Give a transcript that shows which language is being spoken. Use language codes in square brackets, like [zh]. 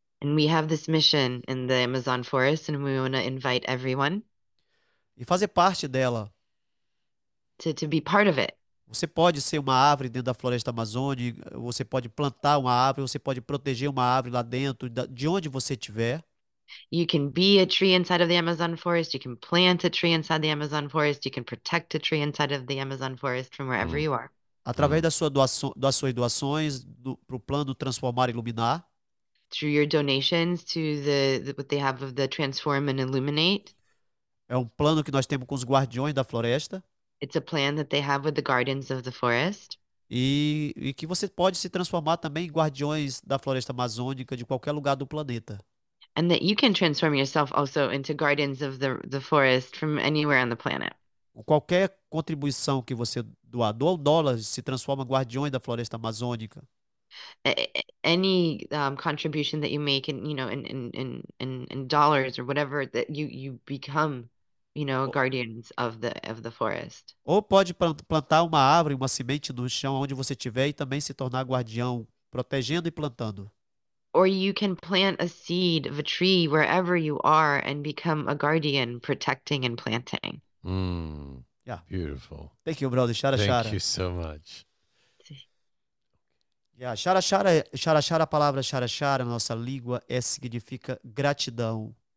[en] And we have this mission in the Amazon Forest and we want to invite everyone. [pt] E fazer parte dela. [en] To be part of it. [pt] Você pode ser uma árvore dentro da Floresta Amazônia, você pode plantar uma árvore, você pode proteger uma árvore lá dentro, de onde você estiver. [en] You can be a tree inside of the Amazon forest, you can plant a tree inside the Amazon forest, you can protect a tree inside of the Amazon forest from wherever you are. [pt] Através da sua das suas doações pro plano Transformar e Iluminar. [en] Through your donations to what they have of the Transform and Illuminate. [pt] É um plano que nós temos com os guardiões da floresta. [en] It's a plan that they have with the guardians of the forest. [pt] E que você pode se transformar também em guardiões da floresta amazônica de qualquer lugar do planeta. [en] And that you can transform yourself also into guardians of the forest from anywhere on the planet. [pt] Qualquer contribuição que você doar, doa um dólar, se transforma em guardiões da floresta amazônica. [en] Any contribution that you make in dollars or whatever that you become, you know, guardians of the forest. [pt] Ou pode plantar uma árvore, uma semente no chão onde você estiver e também se tornar guardião, protegendo e plantando. [en] Or you can plant a seed of a tree wherever you are and become a guardian protecting and planting. Yeah. Beautiful. Thank you, brother. Shara Shara. Thank you so much. [pt] Yeah, Shara Shara, Shara Shara, a palavra Shara Shara, nossa língua, significa gratidão.